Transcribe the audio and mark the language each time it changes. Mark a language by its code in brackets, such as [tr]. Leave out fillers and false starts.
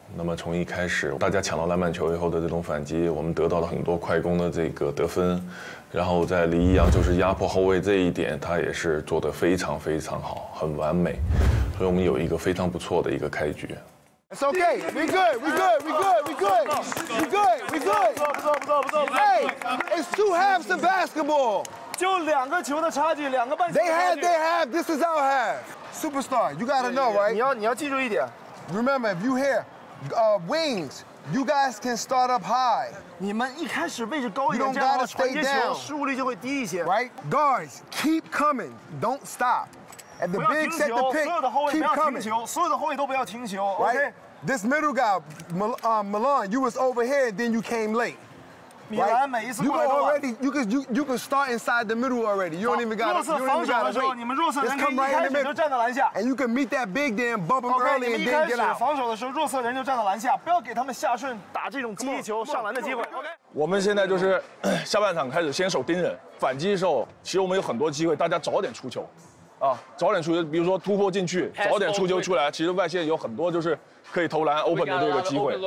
[zh] 那么从一开始大家抢到篮板球以后的这种反击，我们得到了很多快攻的这个得分，然后在黎伊扬就是压迫后卫这一点他也是做得非常非常好，很完美，所以我们有一个非常不错的一个开局。 [en] It's OK, we good, we good, we good, we good, we good, we good, we good, we good. Hey, it's two halves of basketball. [zh] 就两个球的差距，两个半球的差距。 [en] They have, this is our half. Superstar, you gotta know, right? [zh] 你要记住一点。 [en] Remember, if you hereWings, you guys can start up high. [zh] 你们一开始位置高一点，这样传接球失误率就会低一些。 [en] Right, guards, keep coming, don't stop. And the big set the pick, keep coming. [zh] 所有的后卫都不要停球。 [en] Right, this middle guy, Milan, you was over here, and then you came late. [zh] 米兰每一次过来都晚。 [en] You can start inside the middle already. You don't even got to wait. [zh] 弱势防守的时候，你们弱势人可以一开始就站到篮下。 [en] And you can meet that big damn bubble early and then get out. [zh] 你们一开始防守的时候，弱势人就站到篮下，不要给他们下顺打这种击球上篮的机会。 [en] OK。 [zh] 我们现在就是下半场开始先守盯人，反击的时候，其实我们有很多机会，大家早点出球，啊，早点出球，比如说突破进去，早点出球出来，其实外线有很多就是可以投篮 open 的这个机会。